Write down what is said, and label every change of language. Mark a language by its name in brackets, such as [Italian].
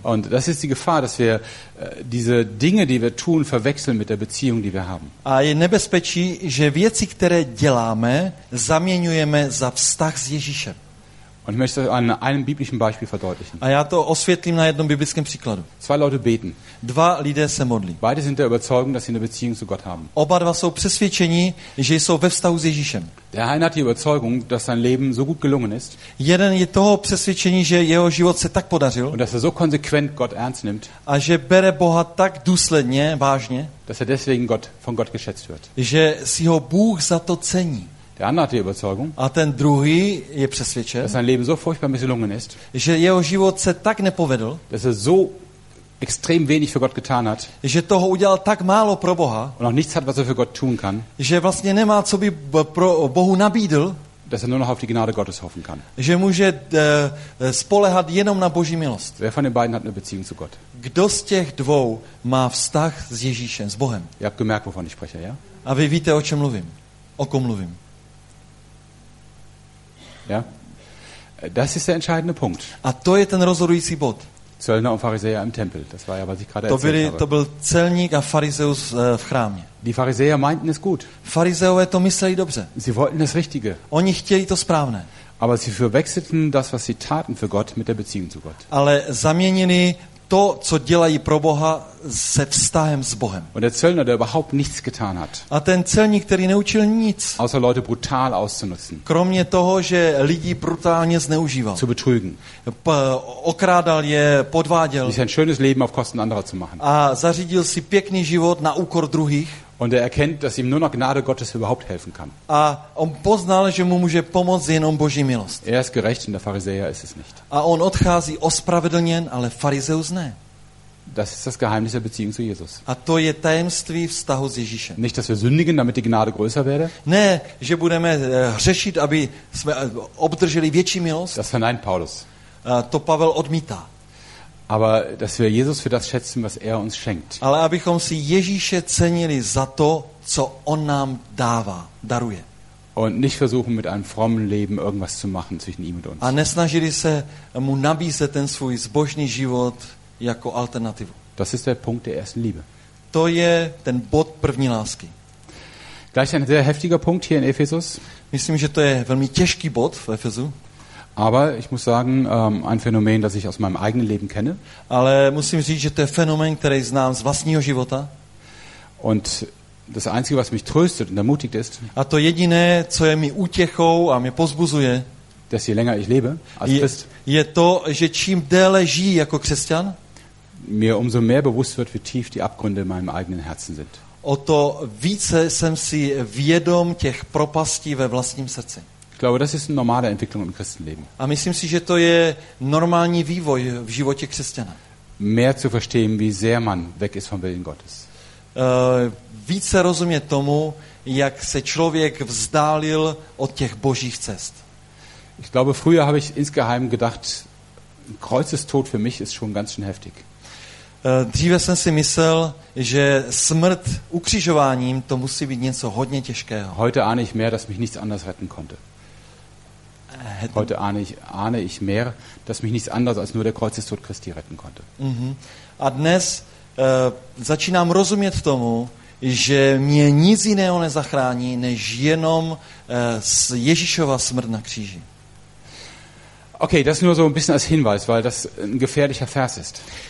[German] Und das ist die Gefahr, dass wir diese Dinge, die wir tun, verwechseln mit der Beziehung, die wir haben. [Czech] A je nebezpečí, že věci, které děláme, zaměňujeme za vztah s Ježíšem. [German] Und ich möchte an einem biblischen Beispiel verdeutlichen. [Czech] A já to osvětlím na jednom biblickém příkladu. [German] Zwei Leute beten. [Czech] Dva lidé se modlí. [German] Beide sind der Überzeugung, dass sie eine Beziehung zu Gott haben. [Czech] Oba dva jsou přesvědčeni, že jsou ve vztahu s Ježíšem. [German] Der eine hat die Überzeugung, dass sein Leben so gut gelungen ist. [Czech] Jeden je toho přesvědčení, že jeho život se tak podařil. [German] Und dass er so konsequent Gott ernst nimmt. [Czech] A že bere Boha tak důsledně, vážně. [German] Dass er deswegen Gott von Gott geschätzt wird. [Czech] Že si ho Bůh za to cení. [German] Der andere hat die Überzeugung. [Czech] A ten druhý je přesvědčen. [German] Dass sein Leben so furchtbar misslungen ist. [Czech] Že jeho život se tak nepovedl. [German] Dass er so extrem wenig für Gott getan hat. [Czech] Že toho udělal tak málo pro Boha. [German] Und noch nichts hat, was er für Gott tun kann. [Czech] Že vlastně nemá, co by pro Bohu nabídl. [German] Dass er nur noch auf die Gnade Gottes hoffen kann. [Czech] Že může spolehat jenom na Boží milost. [German] Wer von den beiden hat eine Beziehung zu Gott? [Czech] Kdo z těch dvou má vztah s Ježíšem, s Bohem? [German] Ihr habt gemerkt, wovon ich spreche, ja? [Czech] A vy víte, o čem mluvím. O kom mluvím? [German] Ja? Das ist der entscheidende Punkt. [Czech] A to je ten rozhodující bod. [German] Zöllner und Pharisäer im Tempel. Das war ja, was ich gerade erzählt habe. [Czech] To byl celník a farizeus v chrámě. [German] Die Pharisäer meinten es gut. [Czech] Farizeové to mysleli dobře. [German] Sie wollten das Richtige. [Czech] Oni chtěli to správné. [German] Aber sie verwechselten das, was sie taten für Gott, mit der Beziehung zu Gott. [Czech] Ale zaměnili to, co dělají pro Boha, se vztahem s Bohem. [German] Und der Zöllner, der überhaupt nichts getan hat. [Czech] A ten celník, který neučil nic. [German] Außer Leute brutal auszunutzen. [Czech] Kromě toho, že lidi brutálně zneužíval. [German] Zu betrügen. [Czech] Okrádal je, podváděl. [German] Ist ein schönes Leben auf Kosten anderer zu machen. [Czech] A zařídil si pěkný život na úkor druhých. [German] Und er erkennt, dass ihm nur noch Gnade Gottes überhaupt helfen kann. [Czech] A on poznal, že mu může pomoct jenom Boží milost. [German] Er ist gerecht und der Pharisäer ist es nicht. [Czech] A on odchází ospravedlněn, ale farizeus ne. [German] Das ist das Geheimnis der Beziehung zu Jesus. [Czech] A to je tajemství vztahu s Ježíšem. [German] Nicht, dass wir sündigen, damit die Gnade größer werde. [Czech] Ne, že budeme hřešit, aby jsme obdrželi větší milost. [German] Das verneint Paulus. [Czech] A to Pavel odmítá. [German] Aber dass wir Jesus für das schätzen, was er uns schenkt. [Czech] Ale abychom si Ježíše cenili za to, co on nám dává, daruje. [German] Und nicht versuchen mit einem frommen Leben irgendwas zu machen zwischen ihm und uns. [Czech] A nesnažili se mu nabízet ten svůj zbožný život jako alternativu. [German] Das ist der Punkt der ersten Liebe. [Czech] To je ten bod první lásky. [German] Gleich ein sehr heftiger Punkt hier in Ephesus. [Czech] Myslím, že to je velmi těžký bod v Efezu. [German] Aber ich muss sagen, ein Phänomen, das ich aus meinem eigenen Leben kenne. [Czech] Ale musím říct, že to je fenomén, který znám z vlastního života. [German] Und das einzige, was mich tröstet und ermutigt ist. [Czech] A to jediné, co je mi útěchou a mě pozbuzuje. [German] Dass je länger ich lebe als Christ. [Czech] Je to, že čím déle žiji jako křesťan. [German] Mir umso mehr bewusst wird, wie tief die Abgründe in meinem eigenen Herzen sind. [Czech] O to více jsem si vědom těch propastí ve vlastním srdci. [German] Ich glaube, das ist eine normale Entwicklung im Christenleben. [Czech] A myslím si, že to je normální vývoj v životě křesťana. [German] Mehr zu verstehen, wie sehr man weg ist vom Willen Gottes. [Czech] Více rozumět tomu, jak se člověk vzdálil od těch božích cest. [German] Ich glaube, früher habe ich insgeheim gedacht, Kreuzestod für mich ist schon ganz schön heftig. [Czech] Dříve jsem si myslel, že smrt ukřižováním to musí být něco hodně těžkého. [German] Heute ahne ich mehr, dass mich nichts anderes retten konnte. Heute ahne ich mehr, dass mich nichts anderes als nur der Kreuzestod Christi retten konnte. Mm-hmm. [Czech] A dnes začínám rozumět tomu, že mě nic jiného nezachrání, než jenom Ježíšova smrt na kříži. [German] Okay, das nur so ein bisschen als Hinweis, weil das ein gefährlicher Vers ist.